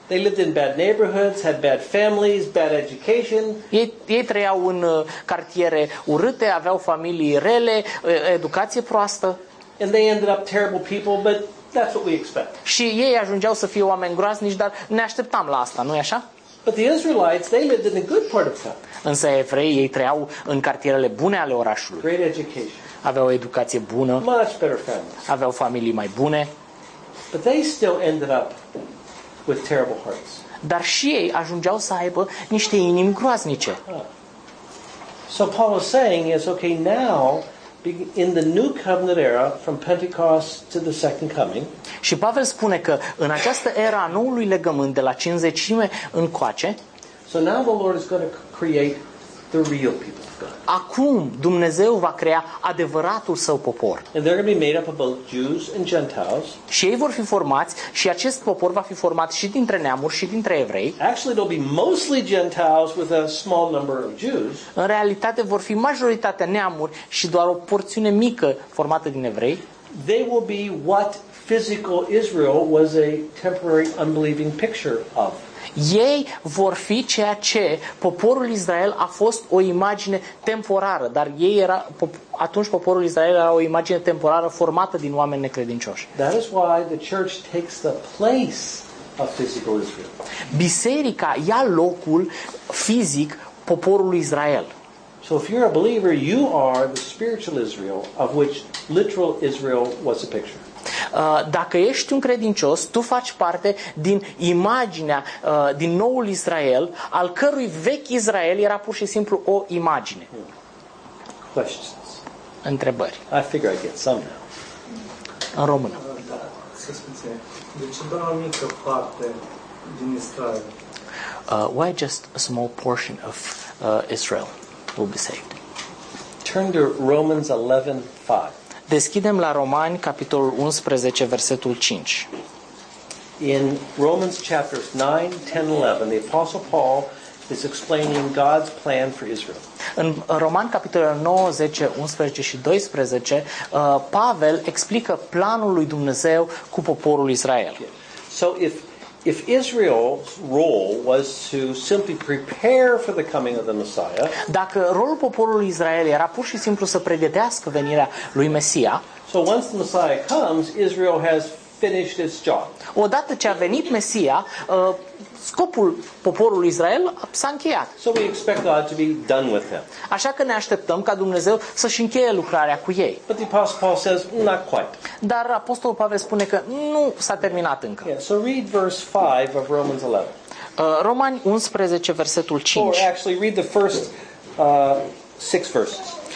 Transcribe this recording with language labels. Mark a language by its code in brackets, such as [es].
[en] They lived in bad neighborhoods, had bad families, bad education. [ro] Ei trăiau în cartiere urâte, aveau familii rele, educație proastă. [en] And they ended up terrible people, but that's what we expect. [ro] Și ei ajungeau să fie oameni groaznici, dar ne așteptam la asta, nu-i așa? [en] But the Israelites, they lived in a good part of town. [ro] Însă evreii, ei trăiau în cartierele bune ale orașului. [en] Great education. [ro] Aveau o educație bună. [en] Much better families. [ro] Aveau familii mai bune. [en] But they still ended up with terrible hearts. [ro] Dar și ei ajungeau să aibă niște inimi groaznice. [en] So Paul is saying is okay now. In the new covenant era, from Pentecost to the second coming. [ro] Și Pavel spune că în această era a noului legământ de la cincizecime încoace. [en] So now the Lord is going to create the real people of God. [ro] Acum Dumnezeu va crea adevăratul său popor. [en] And they're going to be made up of both Jews and Gentiles. [ro] Și ei vor fi formați și acest popor va fi format și dintre neamuri și dintre evrei. [en] Actually, they'll be mostly Gentiles with a small number of Jews. [ro] În realitate vor fi majoritatea neamuri și doar o porțiune mică formată din evrei. [en] they will be what physical Israel was a temporary unbelieving picture of. [ro] Ei vor fi ceea ce poporul Israel a fost o imagine temporară, dar ei era atunci poporul Israel era o imagine temporară formată din oameni necredincioși. [en] That is why the church takes the place of physical Israel. [ro] Biserica ia locul fizic poporului Israel. [en] So if you're a believer, you are the spiritual Israel of which literal Israel was a picture. [ro] Dacă ești un credincios, tu faci parte din imaginea din noul Israel, al cărui vechi Israel era pur și simplu o imagine. [en] Questions. [ro] Întrebări. [en] I figure I get some now. [ro] În română. Da, să spunem. Deci doar o mică parte din Israel. [en] Why just a small portion of Israel will be saved? Turn to Romans 11:5. [ro] Deschidem la Romani capitolul 11 versetul 5. [en] In Romans chapters 9, 10, 11, the apostle Paul is explaining God's plan for Israel. [ro] În Romani capitolul 9, 10, 11 și 12, Pavel explică planul lui Dumnezeu cu poporul Israel. [en] So if Israel's role was to simply prepare for the coming of the Messiah, [ro] dacă rolul poporului Israel era pur și simplu să pregătească venirea lui Mesia, [en] so once the Messiah comes, Israel has finished its job. [ro] Odată ce a venit Mesia, scopul poporului Israel s-a încheiat. [en] So we expect God to be done with him. [ro] Așa că ne așteptăm ca Dumnezeu să-și încheie lucrarea cu ei. [en] But the Apostle Paul says, not quite. [ro] Dar apostolul Pavel spune că nu s-a terminat încă. [en] Yeah, so read verse 5 of Romans 11. [ro] Romani 11 versetul 5. [en] Or actually read the first 6 verses.